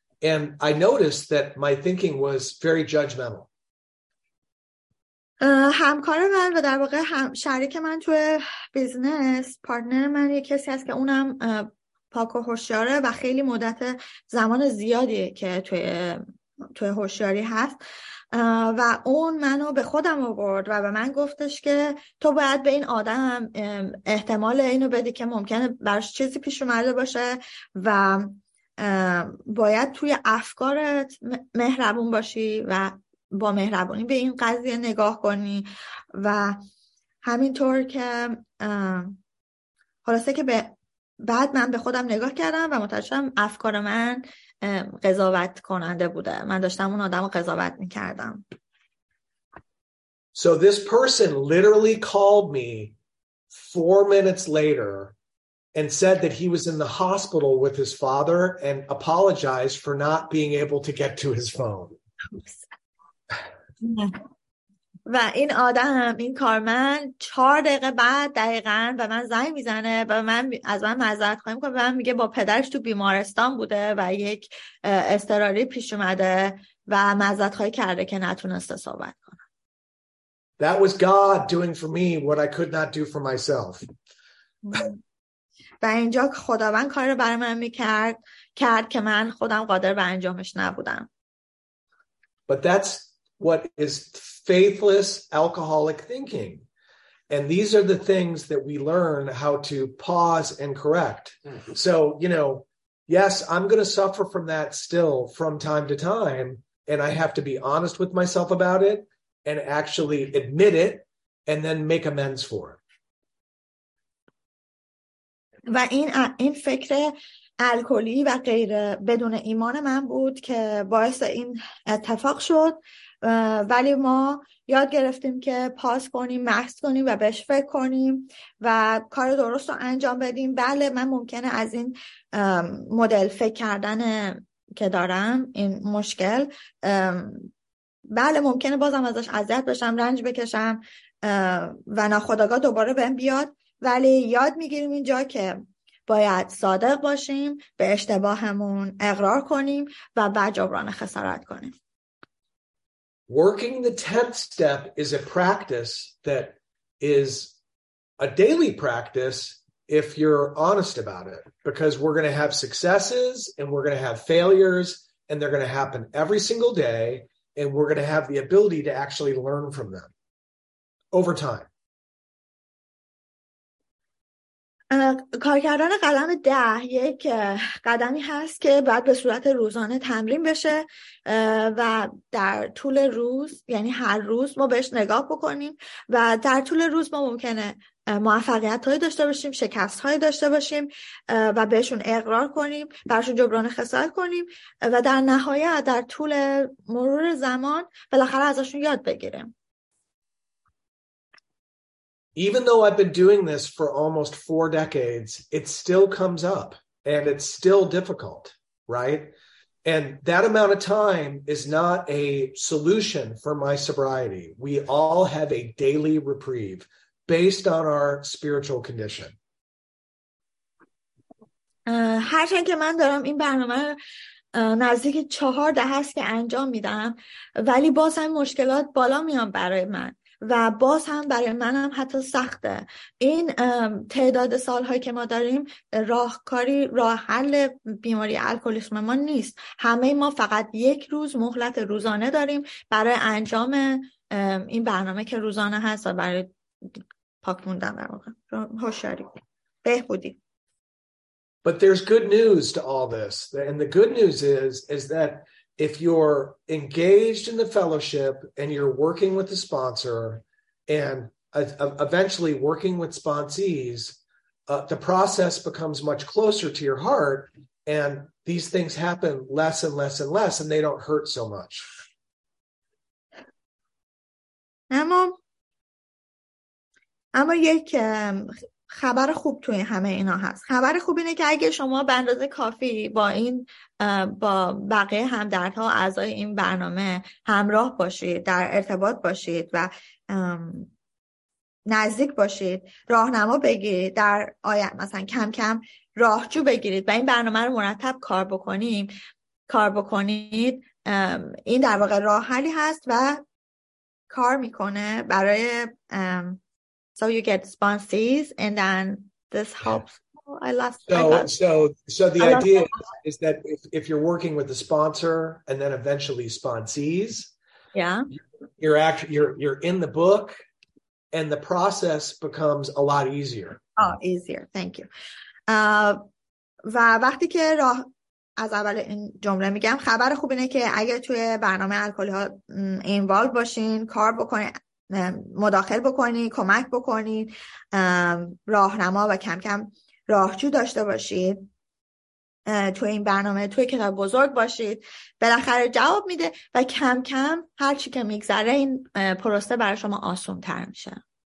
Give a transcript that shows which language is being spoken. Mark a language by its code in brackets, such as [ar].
[en] And I noticed that my thinking was very judgmental. [fa] همکار من و در واقع هم شریک من توی بیزنس، پارتنر من، یک کسی هست که اونم پاک و هوشیاره و خیلی مدت زمان زیادی که توی هوشیاری هست، و اون منو به خودم آورد و به من گفتش که تو باید به این آدم احتمال اینو بدی که ممکنه براش چیزی پیش اومده باشه و باید توی افکارت مهربون باشی و با مهربونی به این قضیه نگاه کنی. و همینطور که خلاصه که بعد من به خودم نگاه کردم و متوجه شدم افکار من قضاوت کننده بوده، من داشتم اون آدم رو قضاوت میکردم. [en] So this person literally called me 4 minutes later and said that he was in the hospital with his father and apologized for not being able to get to his phone. [fa] و این آدم، این کارمند، 4 دقیقه بعد دقیقا به من زنگ میزنه و من از من معذرت خواهی میکنه و من میگه با پدرش تو بیمارستان بوده و یک اضطراری پیش اومده و معذرت خواهی کرده که نتونسته صحبت کنه. [en] That was God doing for me what I could not do for myself. [fa] و اینجا خداوند کار رو برای من میکرد که من خودم قادر به انجامش نبودم. [en] But that's what is faithless alcoholic thinking, and these are the things that we learn how to pause and correct. So, you know, yes, I'm going to suffer from that still from time to time, and I have to be honest with myself about it and actually admit it and then make amends for it. [fa] و این فکر الکلی و غیر بدون ایمان من بود که باعث این اتفاق شد، ولی ما یاد گرفتیم که پاس کنیم، محض کنیم و بهش فکر کنیم و کار درست رو انجام بدیم. بله، من ممکنه از این مدل فکر کردن که دارم، این مشکل، بله ممکنه بازم ازش اذیت بشم، رنج بکشم و ناخودآگاه دوباره بهم بیاد، ولی یاد میگیریم اینجا که باید صادق باشیم، به اشتباهمون اقرار کنیم و بعد جبران خسارت کنیم. [en] Working the 10th step is a practice that is a daily practice if you're honest about it, because we're going to have successes and we're going to have failures and they're going to happen every single day, and we're going to have the ability to actually learn from them over time. [fa] کار کردن قلم 10 یک قدمی هست که باید به صورت روزانه تمرین بشه و در طول روز، یعنی هر روز ما بهش نگاه بکنیم و در طول روز ما ممکنه موفقیت هایی داشته باشیم، شکست هایی داشته باشیم و بهشون اقرار کنیم، برشون جبران خسارت کنیم و در نهایت در طول مرور زمان بالاخره ازشون یاد بگیریم. [en] Even though I've been doing this for almost 4 decades, it still comes up and it's still difficult, right? And that amount of time is not a solution for my sobriety. We all have a daily reprieve based on our spiritual condition. [fa] هرچند که من دارم این برنامه نزدیک 4 دهه است که انجام میدم، ولی باز هم مشکلات بالا میان برای من و باز هم برای منم حتی سخته. این تعداد سالهایی که ما داریم راه حل بیماری الکلیسم ما نیست. همه ما فقط یک روز مهلت روزانه داریم برای انجام این برنامه که روزانه هست و برای پاک موندن در واقع هوشیاری. بهبودی. [en] But there's good news to all this. And the good news is that if you're engaged in the fellowship and you're working with the sponsor and eventually working with sponsees, the process becomes much closer to your heart and these things happen less and less and less and they don't hurt so much. [fa] اما یک خبر خوب توی همه اینا هست. خبر خوب اینه که اگه شما به اندازه کافی با این با بقیه همدردها و اعضای این برنامه همراه باشید، در ارتباط باشید و نزدیک باشید، راهنما بگیرید، در آینده مثلا کم کم راهجو بگیرید و این برنامه رو مرتب کار بکنید، این در واقع راه حلی هست و کار میکنه برای [en] so you get sponsors and then this helps. Oh, the idea is that if you're working with the sponsor and then eventually sponsees, yeah, you're in the book and the process becomes a lot easier. Oh, easier. Thank you. [fa] و وقتی که راه از اول این جمله میگم، خبر خوب اینه که اگه توی برنامه الکلی ها اینوالو باشین، کار بکنین، مداخل بکنین، کمک بکنین، راهنما و کم کم راهجو داشته باشید توی این برنامه، توی کتاب بزرگ باشید، بالاخره جواب میده و کم کم هر چی که میگذره این پروسه برای شما آسون تر میشه.